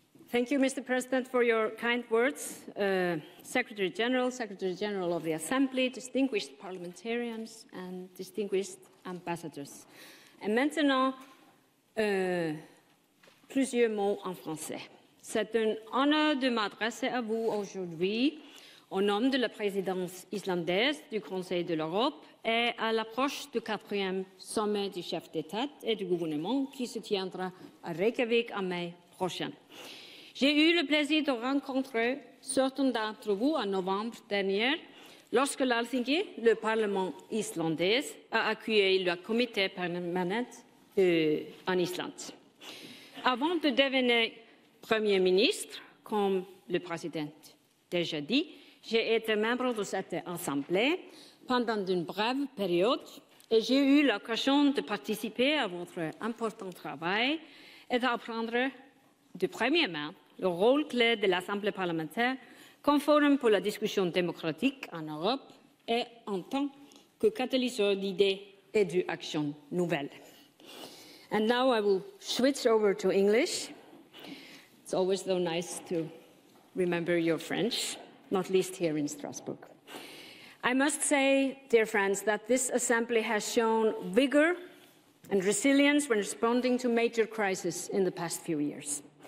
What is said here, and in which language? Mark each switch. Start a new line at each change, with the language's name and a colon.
English: Thank you, Mr. President, for your kind words. Secretary General of the Assembly, distinguished parliamentarians, and distinguished ambassadors.
French: Et maintenant, plusieurs mots en français. C'est un honneur de m'adresser à vous aujourd'hui au nom de la présidence islandaise du Conseil de l'Europe et à l'approche du quatrième sommet du chef d'État et du gouvernement qui se tiendra à Reykjavik en mai prochain. J'ai eu le plaisir de rencontrer certains d'entre vous en novembre dernier lorsque l'Alþingi, le Parlement islandais, a accueilli le comité permanent en Islande. Avant de devenir Premier ministre, comme le Président déjà dit, j'ai été membre de cette Assemblée pendant une brève période et j'ai eu l'occasion de participer à votre important travail et d'apprendre de première main le rôle clé de l'Assemblée parlementaire comme forum pour la discussion démocratique en Europe et en tant que catalyseur d'idées et d'actions nouvelles.
English: And now I will switch over to English. It's always so nice to remember your French, not least here in Strasbourg. I must say, dear friends, that this Assembly has shown vigor and resilience when responding to major crises in the past few years.